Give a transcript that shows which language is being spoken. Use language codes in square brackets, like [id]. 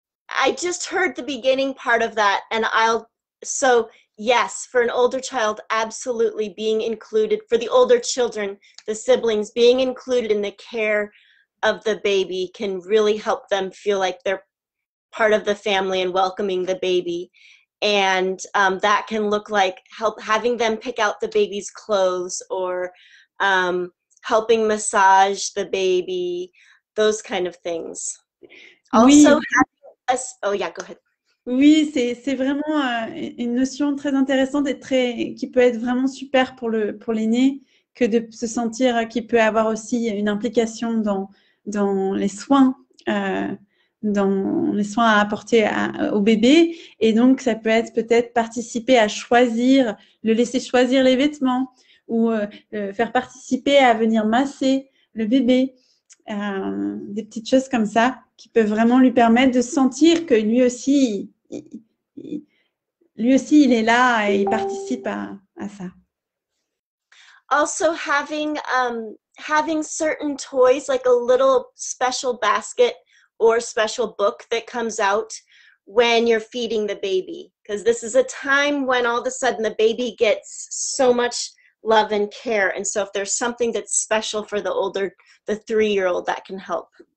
[en] I just heard the beginning part of that, and yes, for an older child, absolutely being included, for the older children, the siblings, being included in the care of the baby can really help them feel like they're part of the family and welcoming the baby. And that can look like having them pick out the baby's clothes or helping massage the baby, those kind of things. Also, go ahead. [fr] Oui, c'est vraiment une notion très intéressante et très qui peut être vraiment super pour l'aîné que de se sentir qu'il peut avoir aussi une implication dans les soins, dans les soins à apporter au bébé. Et donc, ça peut être peut-être participer à choisir, le laisser choisir les vêtements. Ou faire participer à venir masser le bébé, des petites choses comme ça qui peuvent vraiment lui permettre de sentir que lui aussi il est là et il participe à ça. [en] Also having certain toys like a little special basket or special book that comes out when you're feeding the baby, because this is a time when all of a sudden the baby gets so much love and care, and so if there's something that's special for the older, the three-year-old, that can help.